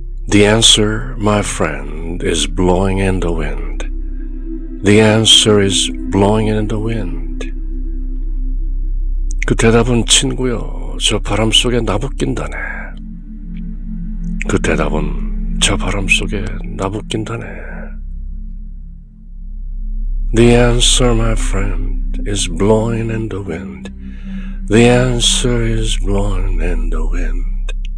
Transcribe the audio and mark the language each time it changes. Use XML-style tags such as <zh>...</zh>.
<en>The answer, my friend, is blowing in the wind. The answer is blowing in the wind.</en> <ko>그 대답은 친구여, 저 바람 속에 나붓긴다네.</ko> <en>The answer, my friend, is blowing in the wind. The answer is blowing in the wind.</en>